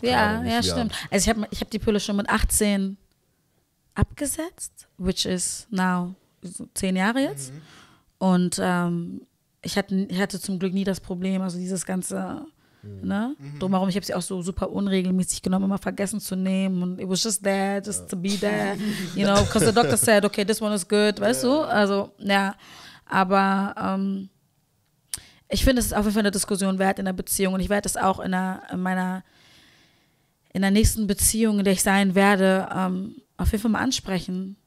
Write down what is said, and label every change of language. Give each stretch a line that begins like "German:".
German: Ja, Jahre, ja, stimmt. Jahren. Also ich hab die Pille schon mit 18 abgesetzt,
English: which is now so
German: 10 Jahre jetzt. Mhm. Und ich hatte zum Glück nie das Problem, also dieses ganze, ne, drumherum. Ich habe sie auch so super unregelmäßig genommen, immer vergessen zu nehmen.
English: Und it was just there, just to be there. You know, because the doctor said, okay, this one is good,
German: weißt du? Also, ja. Aber ich finde, es ist auf jeden Fall eine Diskussion wert in der Beziehung und ich werde es auch in der nächsten Beziehung, in der ich sein werde, auf jeden Fall mal ansprechen.